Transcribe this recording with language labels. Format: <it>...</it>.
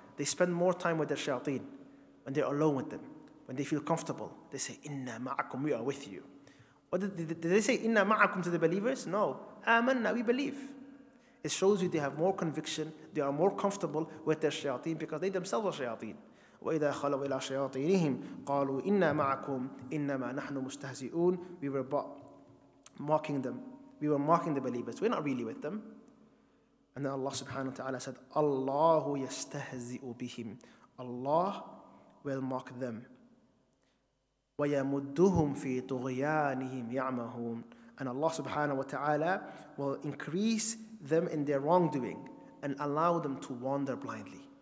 <en>They spend more time with their shayateen when they're alone with them. When they feel comfortable, they say,</en> <ar>Inna ma'akum,</ar> <en>we are with you. What did they say,</en> <ar>Inna ma'akum</ar> <en>to the believers? No. Amanna, we believe. It shows you they have more conviction, they are more comfortable with their shayateen because they themselves are shayateen.</en> <ar>وَإِذَا خَلَوْا إِلَى شَيَاطِينِهِمْ قَالُوا إِنَّا مَعَكُمْ إِنَّمَا نَحْنُ مُسْتَهْزِئُونَ</ar> <en>we were mocking them. We were mocking the believers. We're not really with them. And then Allah subhanahu wa ta'ala said,</en> <ar>اللَّهُ يَسْتَهْزِئُ بِهِمْ</ar> <en>Allah will mock them.</en> <ar>وَيَمُدُّهُمْ فِي طُغْيَانِهِمْ يَعْمَهُونَ</ar> <en>And Allah subhanahu wa ta'ala will increase them in their wrongdoing and allow them to wander blindly.</en>